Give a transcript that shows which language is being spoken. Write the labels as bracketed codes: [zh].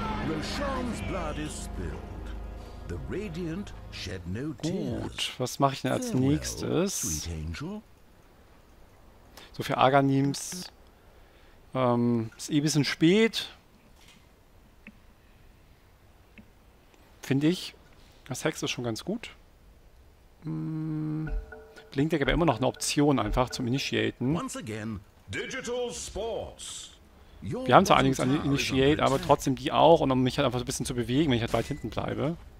[en] Roshan's blood is spilled. The Radiant shed no tears. [de] Gut, was mache ich denn als nächstes? So, für Arganims ist eh ein bisschen spät. Finde ich. Das Hex ist schon ganz gut. Blinkt ja aber immer noch eine Option einfach zum Initiaten. [en] Once again, Digital Sports. [de] Wir haben zwar einiges an Initiate, aber trotzdem die auch. Und um mich halt einfach so ein bisschen zu bewegen, wenn ich halt weit hinten bleibe.